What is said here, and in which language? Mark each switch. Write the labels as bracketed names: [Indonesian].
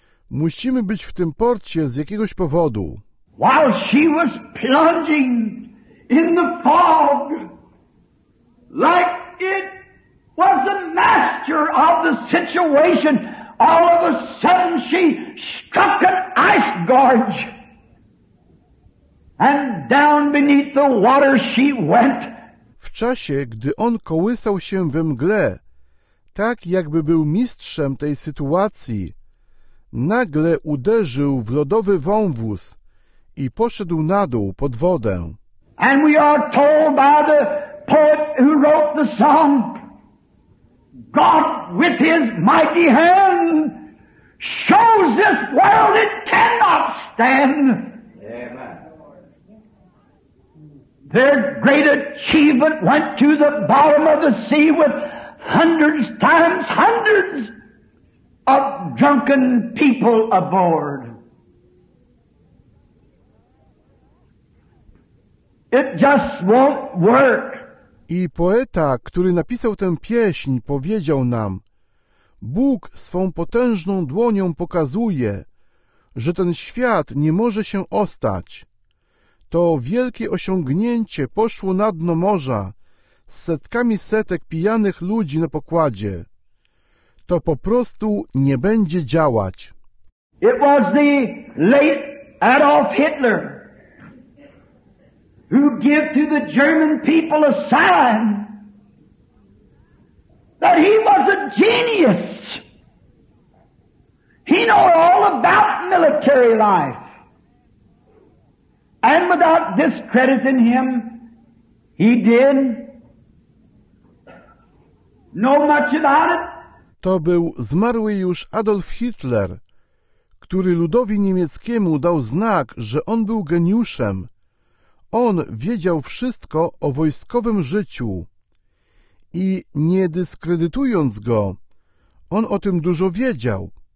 [Polish] Musimy być w tym porcie z jakiegoś powodu. [English] While she was plunging in the fog, like it was the master of the situation, all of a sudden she struck an ice gorge. And down beneath the water she went. [Polish] W czasie, gdy on kołysał się we mgle, tak jakby był mistrzem tej sytuacji, nagle uderzył w lodowy wąwóz i poszedł na dół pod wodę. [English] And we are told by the poet who wrote the song, God with his mighty hand shows this world it cannot stand. Amen. Their great achievement went to the bottom of the sea with hundreds times hundreds of drunken people aboard. It just won't work. [Polish] I poeta, który napisał tę pieśń, powiedział nam, Bóg swą potężną dłonią pokazuje, że ten świat nie może się ostać. To wielkie osiągnięcie poszło na dno morza z setkami setek pijanych ludzi na pokładzie. To po prostu nie będzie działać. [English] It was the late Adolf Hitler who gave to the German people a sign that he was a genius. He knew all about military life. And without discrediting him, he did know much about it. [Polish] To był zmarły już Adolf Hitler, który ludowi niemieckiemu dał znak, że on był geniuszem. On wiedział wszystko o wojskowym życiu. I nie dyskredytując go, on o tym dużo wiedział.